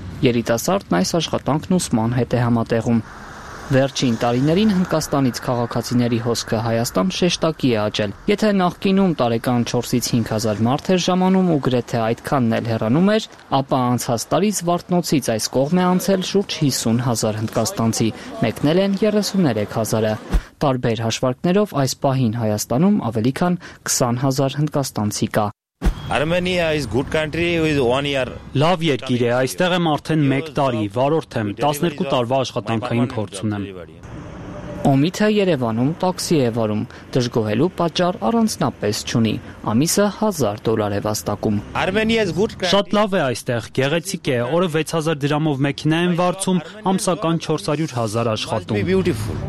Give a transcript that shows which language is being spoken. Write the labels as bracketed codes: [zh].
[hy] Երիտասարդն այս աշխատանքն ուսման հետ է համատեղում։ Վերջին տարիներին Հնդկաստանից քաղաքացիների հոսքը Հայաստան շեշտակի է աճել։ Եթե նախկինում տարեկան 4-ից 5000 մարդ էր ժամանում ու գրեթե այդքանն էլ հեռանում էր, ապա անցած տարի Զվարթնոցից այս կողմ է անցել շուրջ 50000 հնդկաստանցի, մեկնել են 33000-ը։ Տարբեր հաշվարկներով այս պահին Հայաստանում ավելի քան 20000 հնդկաստանցի կա։ [en] Armenia is good country with 1 year. [hy] Լավ երկիր է, այստեղ եմ արդեն 1 տարի, վարորդ եմ, 12 տարվա աշխատանքային փորձ ունեմ։ Օմիթը Երևանում տաքսի է վարում, դժգոհելու պատճառ առանձնապես չունի, ամիսը 1000 դոլար է վաստակում։ [en] Armenia is good country. [hy] Շատ լավ է այստեղ, գեղեցիկ է, օրը 6000 դրամով մեքենա եմ վարձում, ամսական 400000 աշխատում։